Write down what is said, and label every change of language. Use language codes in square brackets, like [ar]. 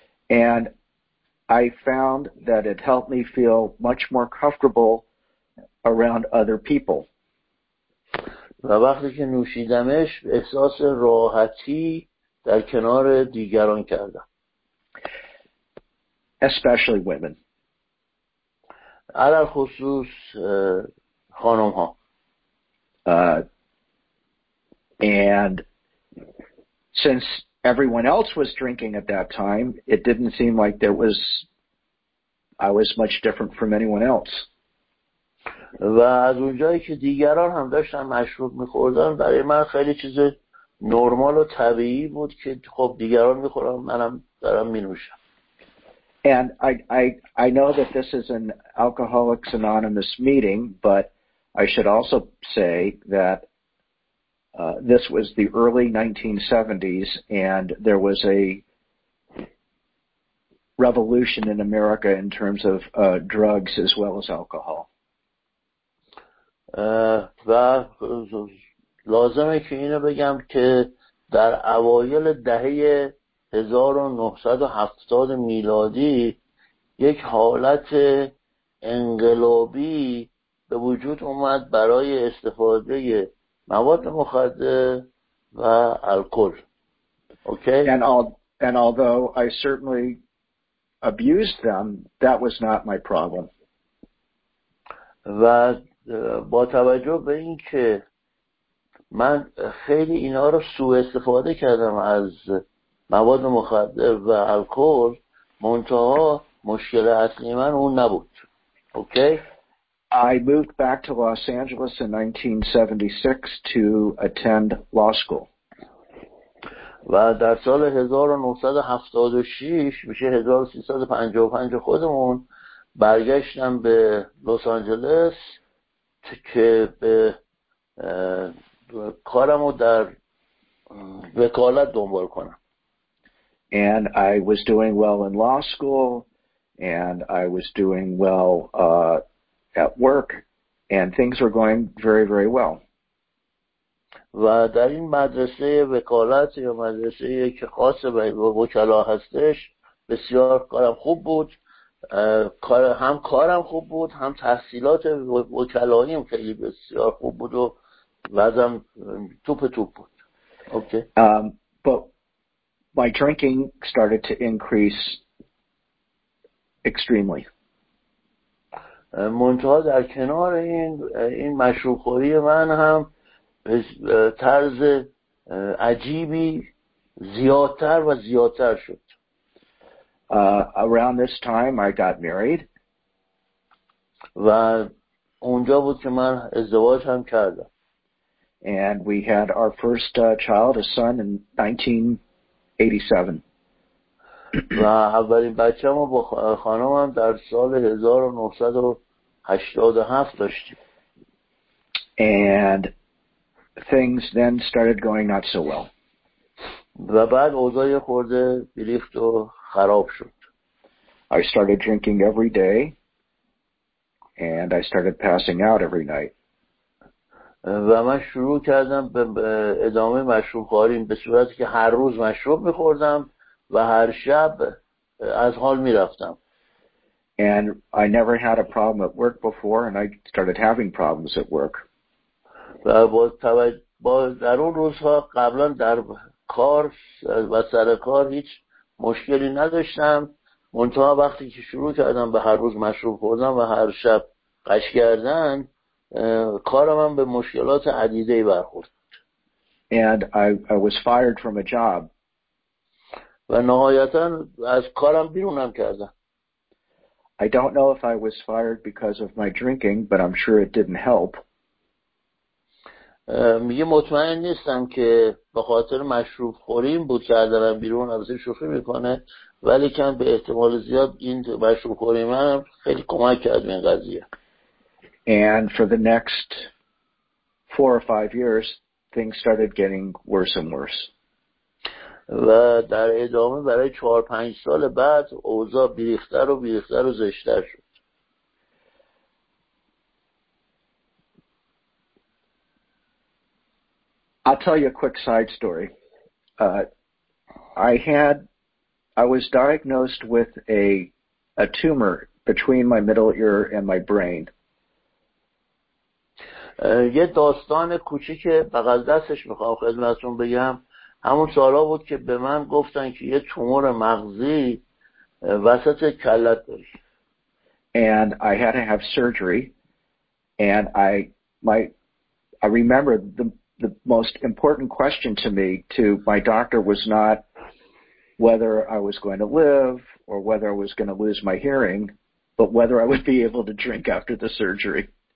[en] And I found that it helped me feel much more comfortable around other people. [fa] و وقتی که نوشیدمش احساس راحتی در کنار دیگران کردم. [en] Especially women. [fa] علل خصوص خانم ها. [en] And since everyone else was drinking at that time, it didn't seem like I was much different from anyone else. [fa] و از اونجایی که دیگران هم داشتن مشروب می‌خوردن برای من خیلی چیز نرمال و طبیعی بود که خب دیگران می‌خورن منم دارم می‌نوشم. [en] And I know that this is an Alcoholics Anonymous meeting, but I should also say that this was the early 1970s and there was a revolution in America in terms of drugs as well as alcohol. [fa] و لازمه که اینو بگم که در اوایل دهه 1970 میلادی یک حالت انقلابی به وجود اومد برای استفاده مواد مخدر و الکل. اوکی؟ [en] And although I certainly abused them, that was not my problem. [fa] و با توجه به این که من خیلی اینا رو سوء استفاده کردم از مواد مخدر و الکل، منتها مشکل اصلی من اون نبود. اوکی؟ [en] I moved back to Los Angeles in 1976 to attend law school. [fa] و در سال 1976 میشه 1355 خودمون برگشتم به لس آنجلس که به کارمو در وکالت دنبال کنم. [en] And I was doing well in law school and I was doing well at work and things were going very very well. [fa] و در این مدرسه وکالت یا مدرسه که خاص به وکلا هستش بسیار کارم خوب بود. هم کارم خوب بود هم تحصیلات وکلاییم خیلی بسیار خوب بود و وضعم توپ بود. اوکی. [en] But my drinking started to increase extremely. [fa] منتها در کنار این مشروب خوری من هم به طرز عجیبی زیادتر و زیادتر شد. [en] Around this time I got married. [fa] و اونجا بود که من ازدواج هم کردم. [en] And we had our first child, a son, in 1987. [fa] و اولین بچه‌مو با خانومم در سال 1987 داشتیم. [en] And things then started going not so well. [fa] و بعد اوضاع یه خورده بیریخت و خراب شد. [en] I started drinking every day, and I started passing out every night. [fa] و من شروع کردم به ادامه مشروب خواری، به صورت که هر روز مشروب می‌خوردم و هر شب از حال می‌رفتم. [en] And I never had a problem at work before, and I started having problems at work. [fa] و با در اون روزها قبلا در کار و سر کار هیچ مشکلی نداشتم، منتها وقتی که شروع کردم به هر روز مشروب خوردن و هر شب قش کردن، کارم هم به مشکلات عدیده‌ای برخورد. [en] And I was fired from a job. [fa] و نهایتا از کارم بیرونم کردن. [en] I don't know if I was fired because of my drinking, but I'm sure it didn't help. [fa] میگه مطمئن نیستم که به خاطر مشروب خوریم بود که دارم بیرون، ازش شوخی میکنه، ولی کم به احتمال زیاد این مشروب خوری من خیلی کمک کرد به این قضیه. [en] And for the next 4 or 5 years, things started getting worse and worse. [fa] و در ادامه برای 4-5 سال بعد اوضاع بیریختر و بیریختر و زشتر شد. [en] I'll tell you a quick side story. I was diagnosed with a tumor between my middle ear and my brain. [fa] یه داستان کوچیک بغل دستش میخوام خدمتتون بگم. همون سالا بود که به من گفتن که یه تومور مغزی وسط کلت داری. [en] And I had to have surgery, and I remember the most important question to me to my doctor was not whether I was going to live or whether I was going to lose my hearing, but whether I would be able to drink after the surgery.